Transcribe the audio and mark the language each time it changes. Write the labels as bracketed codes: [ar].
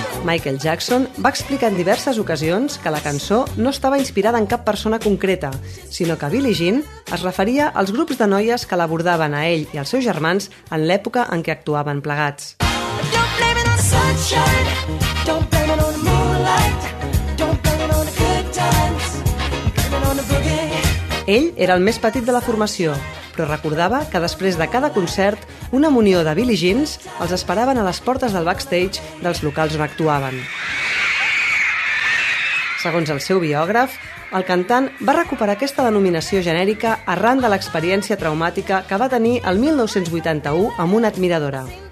[ca] Michael Jackson va explicar en diverses ocasions que la cançó no estava inspirada en cap persona concreta, sinó que Billie Jean es referia als grups de noies que l'abordaven a ell i als seus germans en l'època en què actuaven plegats. [en] Don't blame it on sunshine, don't blame it on moonlight, don't blame it on good times, blame it on a boogie. [ca] Ell era el més petit de la formació, però recordava que després de cada concert, una munió de Billie Jeans els esperaven a les portes del backstage dels locals on actuaven. Segons el seu biògraf, el cantant va recuperar aquesta denominació genèrica arran de l'experiència traumàtica que va tenir el 1981 amb una admiradora.